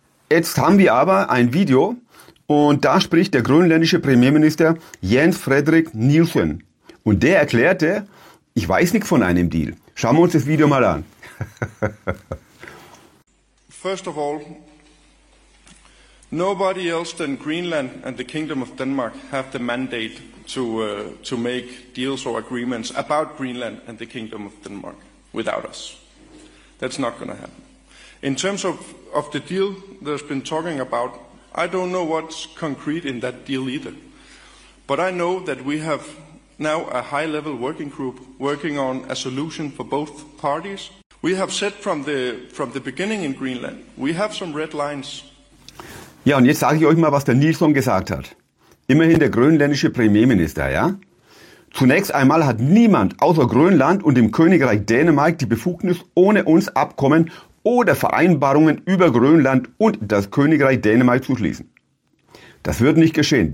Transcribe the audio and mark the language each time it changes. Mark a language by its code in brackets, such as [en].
[de] Jetzt haben wir aber ein Video und da spricht der grönländische Premierminister Jens Frederik Nielsen. Und der erklärte, ich weiß nichts von einem Deal. Schauen wir uns das Video mal an. [en] First of all, nobody else than Greenland and the Kingdom of Denmark have the mandate to make deals or agreements about Greenland and the Kingdom of Denmark without us. That's not going to happen. In terms of the deal there's been talking about, I don't know what's concrete in that deal either. But I know that we have now a high-level working group working on a solution for both parties. We have said from the beginning in Greenland, we have some red lines. [de] Ja, und jetzt sage ich euch mal, was der Nielsen gesagt hat. Immerhin der grönländische Premierminister, ja? Zunächst einmal hat niemand außer Grönland und dem Königreich Dänemark die Befugnis, ohne uns Abkommen oder Vereinbarungen über Grönland und das Königreich Dänemark zu schließen. Das wird nicht geschehen.